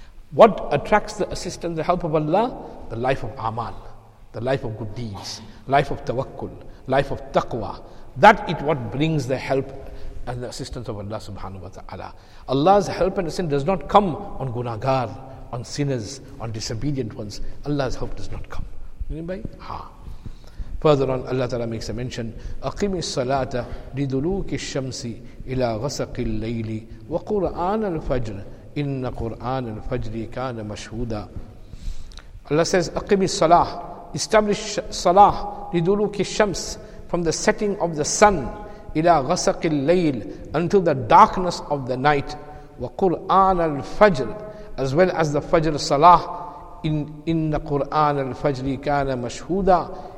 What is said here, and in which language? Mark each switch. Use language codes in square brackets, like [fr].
[en] What attracts the assistance, the help of Allah? The life of amal, the life of good deeds, life of tawakkul, life of taqwa. That is what brings the help and the assistance of Allah subhanahu wa ta'ala. Allah's help and assistance does not come on gunagar, on sinners, on disobedient ones. Allah's help does not come. Anybody? Further on, Allah Ta'ala makes a mention, [ar] أَقِمِ الصَّلَاةَ لِدُلُوكِ الشَّمْسِ إِلَىٰ غَسَقِ اللَّيْلِ وَقُرْآنَ الْفَجْرِ إِنَّ قُرْآنَ الْفَجْرِ كَانَ مَشْهُودًا. [en] Allah says, [ar] أَقِمِ الصَّلَاةَ, [en] establish salah, [ar] لِدُلُوكِ الشَّمْسِ, [en] from the setting of the sun, [ar] إِلَىٰ غَسَقِ اللَّيْلِ, [en] until the darkness of the night, [ar] وَقُرْآنَ الْفَجْرِ, [en] as well as the fajr salah, [ar] إِنَّ قُرْآنَ الْفَجْرِ كَانَ مَشْهُودًا.